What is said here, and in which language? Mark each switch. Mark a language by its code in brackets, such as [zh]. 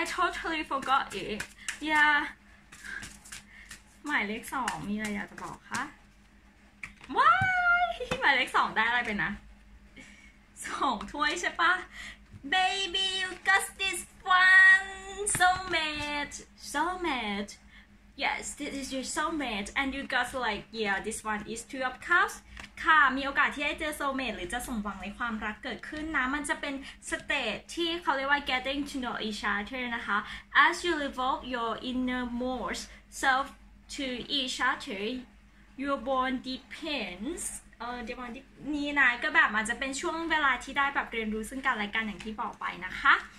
[en] I totally forgot it. Yeah. [th] หมายเลข2มีอะไรอยากจะบอกคะ [en] Why? [th] หมายเลข2ได้อะไรไปนะ2ถ้วยใช่ปะ [en] Baby, you got this one. Soulmate. Soulmate. Yes, this is your soulmate. And you got like, yeah, this one is two of cups. [th] ค่ะมีโอกาสที่จะเจอโซเมทหรือจะสมหวังในความรักเกิดขึ้นนะมันจะเป็นสเตจที่เขาเรียกว่า [en] getting to know each other [th] นะคะ [en] as you evolve your innermost self to each other your bond deepens [th] เดี๋ยวนี้นี่นะก็แบบมันจะเป็นช่วงเวลาที่ได้แบบเรียนรู้ซึ่งกันและกันอย่างที่บอกไปนะคะ